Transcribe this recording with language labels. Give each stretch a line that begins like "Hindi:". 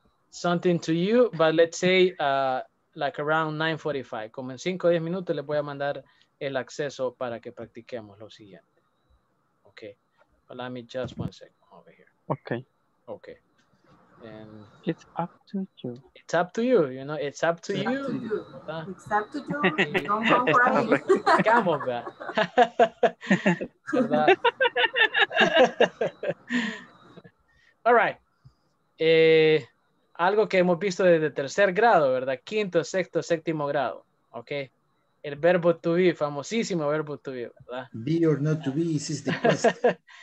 English: something to you, but let's say like around 9:45.
Spanish: Como en 5 o 10 minutos les voy a mandar el acceso para que practiquemos lo siguiente. Okay.
English: But let me just one second over here. Okay. Okay. And it's up to you. It's up to you. You know, it's up to it's you. Up to you. It's up to you. Don't go crying. Come on, man. All right.
Spanish: Algo que hemos visto desde tercer grado, ¿verdad? Quinto, sexto, séptimo grado. Okay. El verbo to be, famosísimo verbo to be, ¿verdad?
English: Be or not to be, this is the question.